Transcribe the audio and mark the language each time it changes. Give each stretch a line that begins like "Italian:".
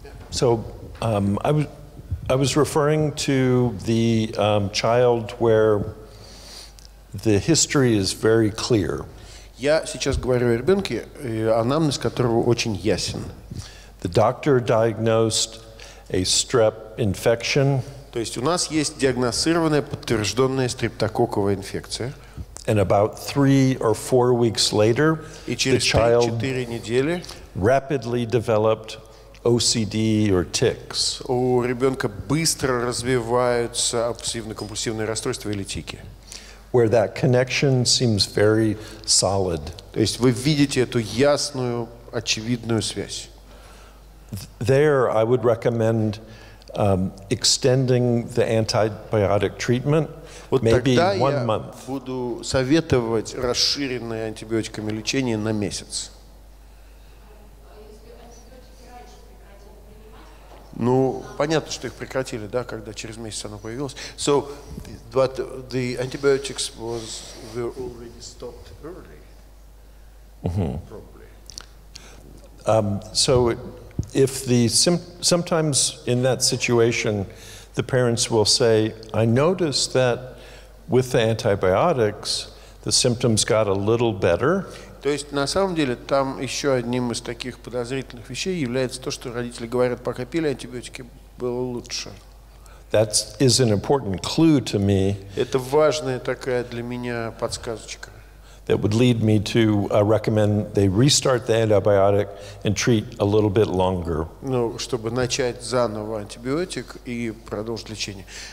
English: So, I was referring to the child where the history is very clear.
Russian: Я сейчас говорю о ребенке, анамнез которого очень ясен.
English: The doctor diagnosed a strep infection.
Russian: То есть у нас есть диагностированная, подтвержденная стрептококковая инфекция.
English: And about 3 or 4 weeks later, the child rapidly developed OCD or tics.
Russian: У ребенка быстро развиваются обсессивно-компульсивные расстройства или тики.
English: Where that connection seems very solid.
Russian: То есть вы видите эту ясную, очевидную связь.
English: There I would recommend extending the antibiotic treatment,
Russian: вот
English: maybe
Russian: тогда
English: one
Russian: я
English: month.
Russian: Буду советовать расширенное антибиотиками лечение на месяц. Ну, понятно, что их прекратили, да, когда через месяц оно появилось.
English: So, but the antibiotics were already stopped early, probably. So, if the sometimes in that situation, the parents will say, I noticed that with the antibiotics, the symptoms got a little better.
Russian: То есть, на самом деле, там еще одним из таких подозрительных вещей является то, что родители говорят, пока пили антибиотики, было лучше.
English: That is an important clue to me.
Russian: Это важная такая для меня подсказочка.
English: That would lead me to recommend they restart the antibiotic and treat a little bit longer.
Russian: Ну, чтобы начать заново антибиотик и продолжить лечение.